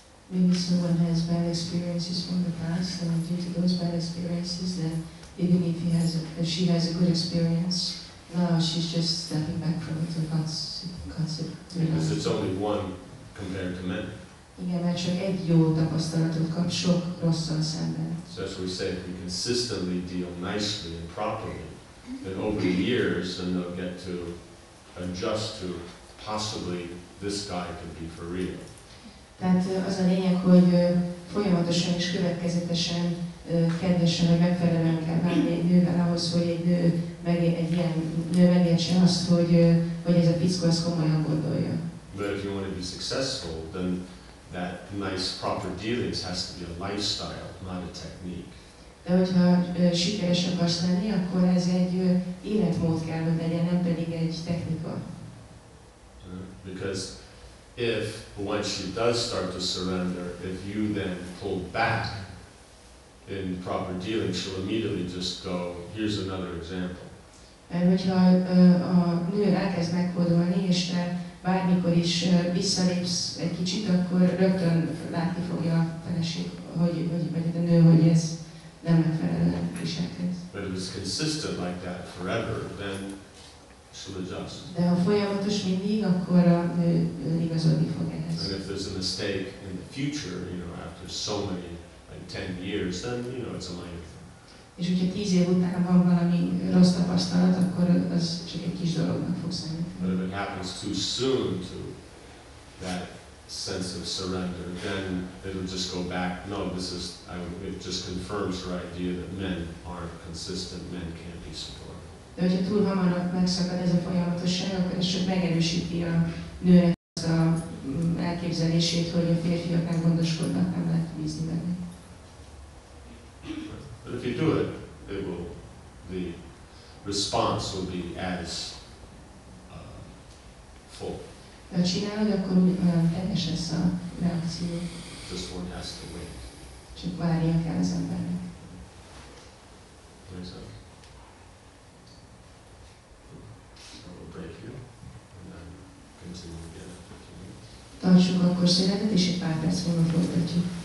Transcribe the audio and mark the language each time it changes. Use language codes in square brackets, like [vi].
[en] maybe someone has bad experiences from the past, and due to those bad experiences, then even if he has, if she has a good experience, now she's just stepping back from it. Because it's only one compared to men. [hu] Igen, mert csak egy jó tapasztalatot kap sok rosszal szemben. [en] So as we say, if we consistently deal nicely and properly, then over the years, then they'll get to adjust to possibly this guy could be for real. [hu] Tehát az a lényeg, hogy folyamatosan és következetesen, kedvesen, hogy megfelelően kell bánni egy nővel ahhoz, hogy egy nő egy ilyen nő megértse azt, hogy hogy ez a fickó ezt komolyan gondolja. [en] But if you want to be successful, then that nice proper dealings has to be a lifestyle, not a technique. [hu] De hogyha sikeres akarsz lenni, akkor ez egy életmód kell, hogy legyen, nem pedig egy technika. [en] Because if once she does start to surrender, if you then pull back in proper dealing, she'll immediately just go, here's another example. And [hu] hogyha a nő elkezd megfordulni, és te bármikor is visszalépsz egy kicsit, akkor rögtön látni fogja a feleség, hogy a nő, hogy ez nem megfelelően viselkedik. [en] But if it's consistent like that forever, then [hu] de ha folyamatos mindig, akkor a nő igazodni fog ehhez. [en] And if there's a mistake in the future, you know, after so many, like 10 years, then, you know, it's a minor thing. [hu] És hogyha 10 év után van valami rossz tapasztalat, akkor az csak egy kis dolognak fog számítani. [en] But if it happens too soon to that sense of surrender, then it'll just go back, no, this is, it just confirms her idea that men aren't consistent, men can't be supported. [hu] De hogyha túl hamar megszakad ez a folyamatosság, akkor ez csak megerősíti a nőnek az a elképzelését, hogy a férfiak nem gondoskodnak, nem lehet bízni benne. [en] But if you do it, it will, the response will be as full. [hu] Ha csinálod, akkor teljes lesz a reakció. [en] Just one has to wait. [hu] Csak várja kell az embernek. [en] There's a... I'll break you, and then continue again in 15 minutes. [hu] Tartsuk akkor szeretet, és egy pár perc volna folytatjuk.